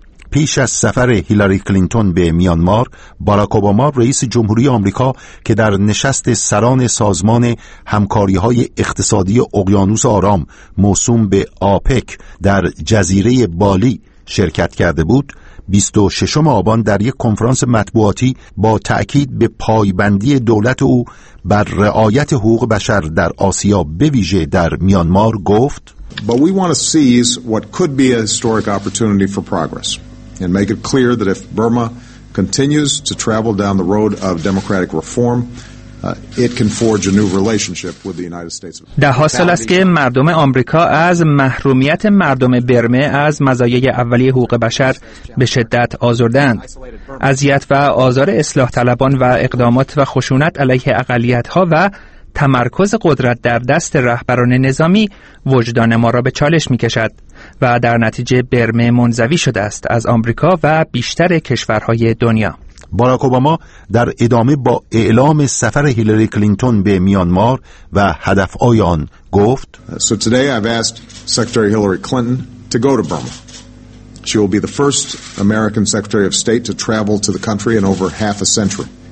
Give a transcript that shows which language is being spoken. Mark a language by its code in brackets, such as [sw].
[fa] پیش از سفر هیلاری کلینتون به میانمار، باراک اوباما رئیس جمهوری آمریکا که در نشست سران سازمان همکاری‌های اقتصادی اقیانوس آرام موسوم به آپک در جزیره بالی شرکت کرده بود، 26 آبان در یک کنفرانس مطبوعاتی با تأکید به پایبندی دولت او بر رعایت حقوق بشر در آسیا به ویژه در میانمار گفت: [en] But we want to seize what could be a historic opportunity for progress and make it clear that if Burma continues to travel down the road of democratic reform, it can forge a new relationship with the United States. [fa] ده ها سال است که مردم آمریکا از محرومیت مردم برمه از مزایای اولیه حقوق بشر به شدت آزردند. اذیت و آزار اصلاح طلبان و اقدامات و خشونت علیه اقلیت ها و تمرکز قدرت در دست رهبران نظامی وجدان ما را به چالش می کشد و در نتیجه برمه منزوی شده است از آمریکا و بیشتر کشورهای دنیا. باراک اوباما در ادامه با اعلام سفر هیلاری کلینتون به میانمار و هدف های آن گفت: [en] So today I've asked Secretary Hillary Clinton to go to Burma. She will be the first American Secretary of State to travel to the country in over half a century.